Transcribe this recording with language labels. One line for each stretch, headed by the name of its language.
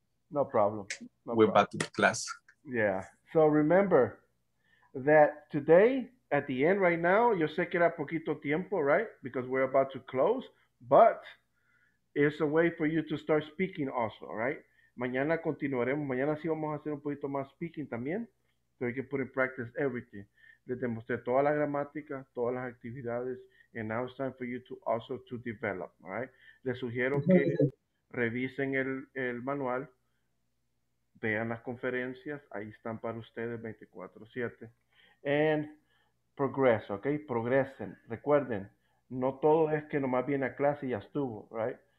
English: No problem. No We're problem. Back to the class. Yeah. So remember that today, at the end right now,
Spanish: yo sé que era poquito tiempo,
English: right? Because we're about to close, but it's a way for you to start speaking also, right?
Spanish: Mañana continuaremos. Mañana sí vamos a hacer un poquito más speaking también.
English: So you can put in practice everything.
Spanish: Les demostré toda la gramática, todas las actividades.
English: And now it's time for you to also to develop, all right?
Spanish: Les sugiero que revisen el manual, vean las conferencias, ahí están para ustedes 24/7.
English: And progress, okay?
Spanish: Progresen. Recuerden, no todo es que nomás viene a clase y ya estuvo, right?